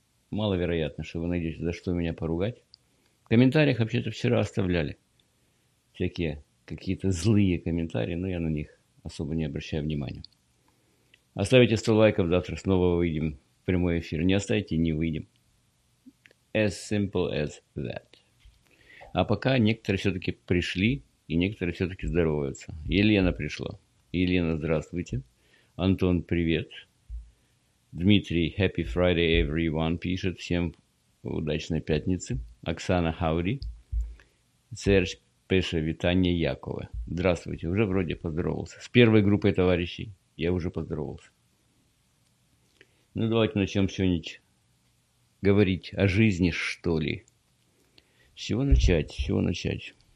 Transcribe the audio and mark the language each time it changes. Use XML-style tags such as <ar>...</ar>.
<ru>Маловероятно, что вы найдете за что меня поругать. В комментариях вообще-то вчера оставляли всякие какие-то злые комментарии, но я на них особо не обращаю внимания. Оставите 100 лайков, завтра снова выйдем в прямой эфир. Не оставите, не выйдем.</ru> <en>As simple as that.</en> <ru>А пока некоторые все-таки пришли, и некоторые все-таки здороваются. Елена пришла. Елена, здравствуйте. Антон, привет. Дмитрий,</ru> <en>happy Friday everyone,</en> <ru>пишет. Всем удачной пятницы. Оксана, хаури. Серж, пеша, витание Якова. Здравствуйте, уже вроде поздоровался. С первой группой товарищей я уже поздоровался. Ну, давайте начнем сегодня говорить о жизни, что ли. С чего начать? С чего начать?</ru>